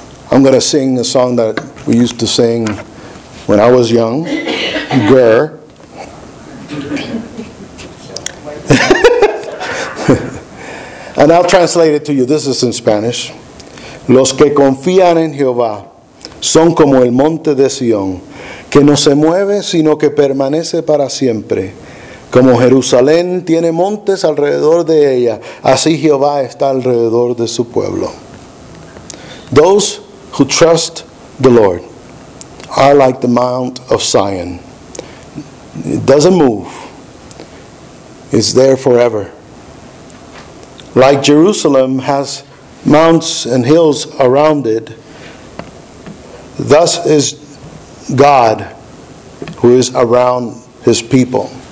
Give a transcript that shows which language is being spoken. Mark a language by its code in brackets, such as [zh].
[en] I'm going to sing a song that we used to sing when I was young. Grr. And I'll translate it to you. This is in Spanish. [es] Los que confían en Jehová son como el monte de Sion, que no se mueve, sino que permanece para siempre. Como Jerusalén tiene montes alrededor de ella, así Jehová está alrededor de su pueblo. [en] Those who trust the Lord are like the Mount of Zion. It doesn't move. It's there forever. Like Jerusalem has mounts and hills around it, thus is God who is around his people.